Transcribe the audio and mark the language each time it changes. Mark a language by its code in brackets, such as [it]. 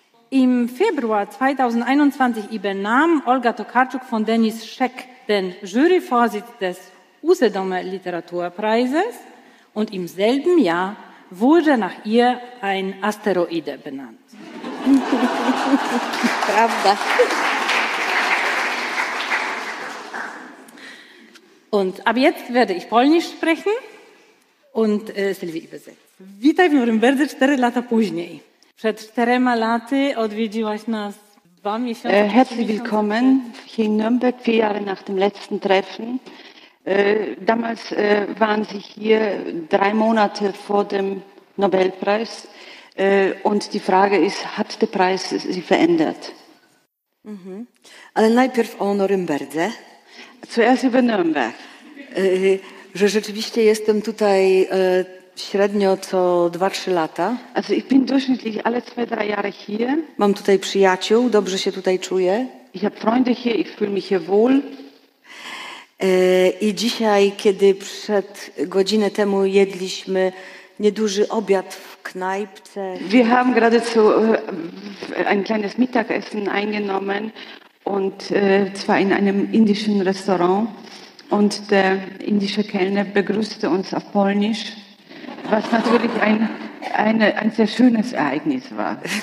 [de] Im Februar 2021 übernahm Olga Tokarczuk von Denis Scheck den Juryvorsitz des Usedomer Literaturpreises und im selben Jahr wurde nach ihr ein Asteroide benannt. [pl] Prawda. [de] Und ab jetzt werde ich Polnisch sprechen und Sylwii übersetzt. [pl] Witaj w Norymberdze 4 lata później. Przed 4 laty odwiedziłaś nas 2 miesiące. [de] Herzlich willkommen hier in Nürnberg, 4 Jahre nach dem letzten Treffen. Damals waren Sie hier 3 Monate vor dem Nobelpreis. Und die Frage ist, hat der Preis Sie verändert? [pl] Ale najpierw o Norymberdze. [de] Zuerst über Nürnberg. [pl] Że rzeczywiście jestem tutaj średnio co 2-3 lata. [de] Also ich bin durchschnittlich alle 2-3 Jahre hier. [pl] Mam tutaj przyjaciół, dobrze się tutaj czuję. [de] Ich habe Freunde hier, ich fühle mich hier wohl. [pl] I dzisiaj, kiedy przed godzinę temu jedliśmy nieduży obiad w knajpce. [de] Wir haben geradezu ein kleines Mittagessen eingenommen und zwar in einem indischen Restaurant und der indische Kellner begrüßte uns auf Polnisch, was natürlich ein sehr schönes Ereignis war.